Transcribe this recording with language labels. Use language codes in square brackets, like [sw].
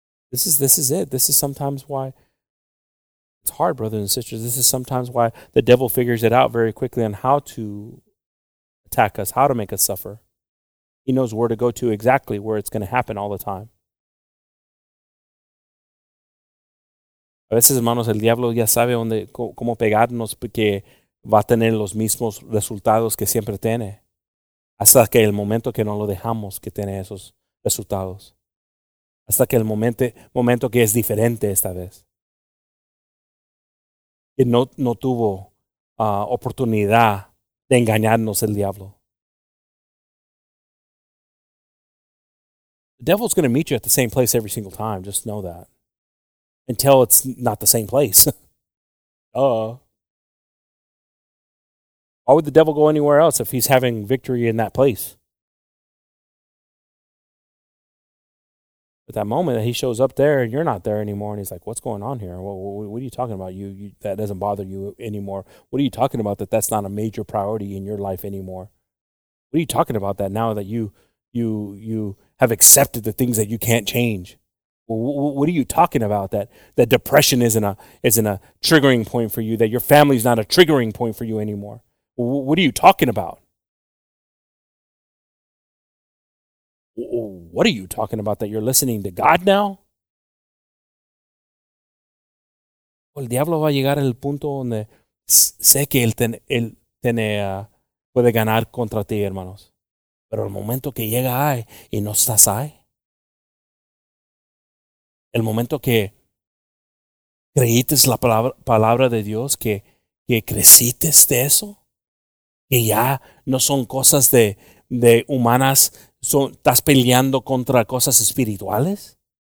[en] This is it. This is sometimes why it's hard, brothers and sisters. This is sometimes why the devil figures it out very quickly on how to attack us, how to make us suffer. He knows where to go to exactly, where it's going to happen all the time. [es] A veces, hermanos, el diablo ya sabe dónde cómo pegarnos porque va a tener los mismos resultados que siempre tiene. Hasta que el momento que no lo dejamos que tiene esos resultados. Hasta que el momento que es diferente esta vez. Que no tuvo oportunidad de engañarnos el diablo. [en] The devil's going to meet you at the same place every single time. Just know that. Until it's not the same place. Why would the devil go anywhere else if he's having victory in that place? But that moment that he shows up there and you're not there anymore, and he's like, what's going on here? What are you talking about? You that doesn't bother you anymore. What are you talking about that's not a major priority in your life anymore? What are you talking about that now that you have accepted the things that you can't change? What are you talking about that depression isn't a triggering point for you, that your family's not a triggering point for you anymore? What are you talking about? What are you talking about that you're listening to God now? [es] El diablo va a llegar al punto donde sé que él puede ganar contra ti, hermanos. Pero el momento que llega ahí y no estás ahí, el momento que creíste la palabra de Dios, que creciste de eso, que ya no son cosas de humanas, estás peleando contra cosas espirituales.